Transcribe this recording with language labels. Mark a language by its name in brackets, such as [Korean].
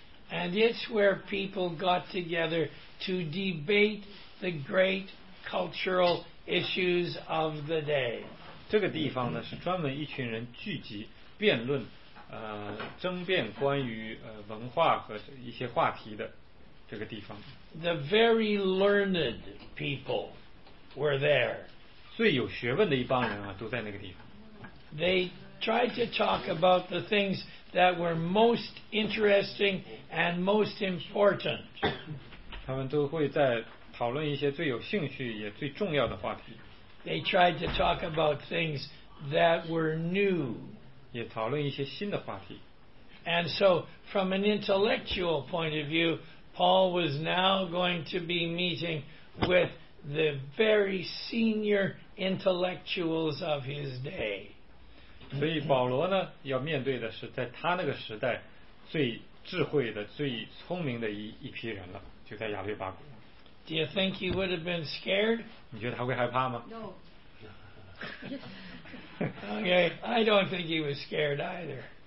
[English] And it's where people got together to debate the great cultural issues of the day. [Chinese] 这个地方呢是专门一群人聚集辩论争辩关于文化和一些话题的这个地方。 [English] The very learned people were there. [Chinese] 最有学问的一帮人啊都在那个地方。 [English] They tried to talk about the things that were most interesting and most important. [Chinese] 他们都会在讨论一些最有兴趣也最重要的话题。 [English] They tried to talk about things that were new. [Chinese] 也讨论一些新的话题。 [English] And so, from an intellectual point of view, Paul was now going to be meeting with the very senior intellectuals of his day. [Chinese] 所以保罗呢，要面对的是在他那个时代最智慧的、最聪明的一批人了，就在亚略巴谷。 [English] Do you think he would have been scared? [Chinese] 你觉得他会害怕吗？ [English] No. Okay, I don't think he was scared either.